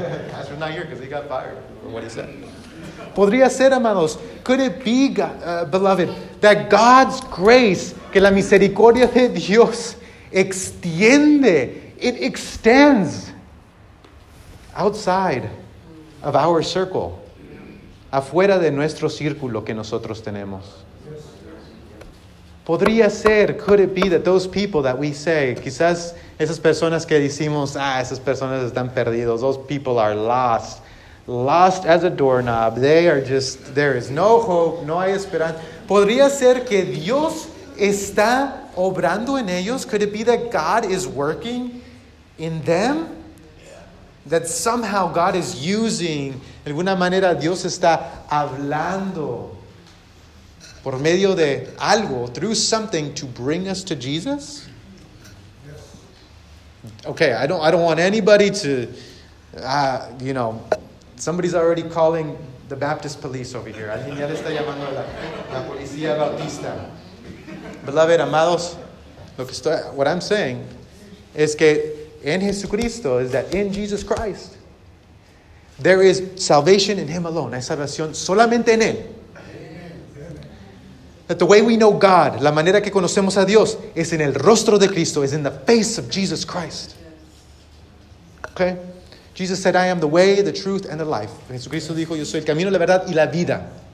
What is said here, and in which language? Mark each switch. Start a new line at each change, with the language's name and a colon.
English: Pastor's not here because he got fired. Or what is that?
Spanish: Podría ser, amados,
English: could it be, beloved, that God's grace,
Spanish: que la misericordia de Dios extiende,
English: it extends outside of our circle,
Spanish: afuera de nuestro círculo que nosotros tenemos. Podría ser,
English: could it be that those people that we say,
Spanish: quizás esas personas que decimos, ah, esas personas están perdidos,
English: those people are lost. Lost as a doorknob. They are just, there is no hope,
Spanish: no hay esperanza. Podría ser que Dios está obrando en ellos.
English: Could it be that God is working in them? That somehow God is using,
Spanish: de alguna manera Dios está hablando por medio de algo,
English: through something, to bring us to Jesus? Okay, I don't want anybody to, you know, somebody's already calling the Baptist police over here.
Spanish: Alguien ya le está llamando a la policía bautista.
English: Beloved,
Spanish: amados,
English: what I'm saying is
Spanish: que en Jesucristo,
English: is that in Jesus Christ, there is salvation in him alone.
Spanish: Hay salvación solamente en él.
English: That the way we know God,
Spanish: la manera que conocemos a Dios,
English: is in
Spanish: el rostro de Cristo,
English: is in the face of Jesus Christ. Okay? Jesus said, I am the way, the truth, and the life.
Spanish: Jesucristo dijo, yo soy el camino, la verdad, y la vida.